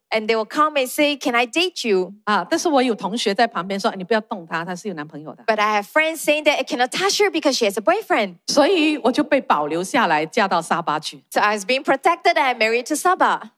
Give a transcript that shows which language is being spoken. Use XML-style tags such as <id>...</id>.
<en>And they will come and say, can I date you?</en> <zh>但是我有同学在旁边说，你不要动她，她是有男朋友的。</zh> <en>But I have friends saying that I cannot touch her because she has a boyfriend.</en> <zh>所以我就被保留下来，嫁到沙巴去。</zh> <en>So I was being protected and I married to Saba.</en>